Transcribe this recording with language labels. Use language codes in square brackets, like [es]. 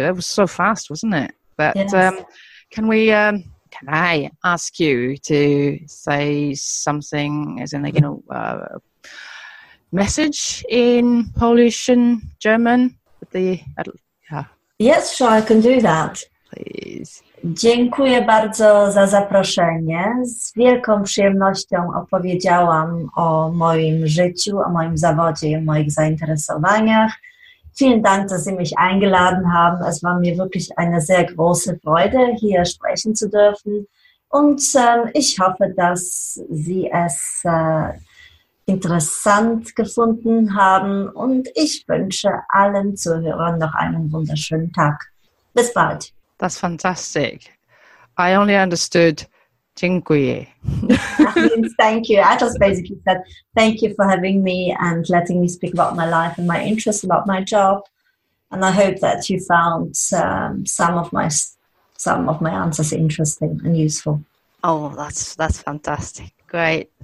[en] That was so fast, wasn't it? But yes. Can I ask you to say something, as in, message in Polish and German with the... Yes, sure, I can do that. Please. [pl] Dziękuję bardzo za zaproszenie. Z wielką przyjemnością opowiedziałam o moim życiu, o moim zawodzie i o moich zainteresowaniach. [de] Vielen Dank, dass Sie mich eingeladen haben. Es war mir wirklich eine sehr große Freude, hier sprechen zu dürfen. Und ich hoffe, dass Sie es interessant gefunden haben und ich wünsche allen Zuhörern noch einen wunderschönen Tag. Bis bald. [en] That's fantastic. I only understood dziękuję. Thank you. I just basically said thank you for having me and letting me speak about my life and my interests, about my job. And I hope that you found some of my answers interesting and useful. Oh, that's fantastic. Great.